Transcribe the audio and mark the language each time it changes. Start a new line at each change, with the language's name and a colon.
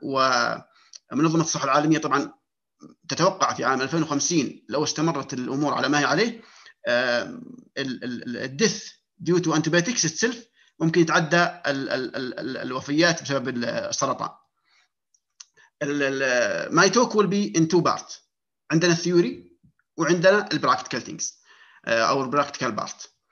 Arabic: ومنظمة الصحة العالمية طبعا تتوقع في عام 2050 لو استمرت الأمور على ما هي عليه، الدث
English: due to antibiotics itself
Arabic: ممكن يتعدى الوفيات بسبب السرطان.
English: My talk will be in two parts.
Arabic: عندنا الثيوري وعندنا البراكتيكال ثينجز أو البراكتيكال بارت.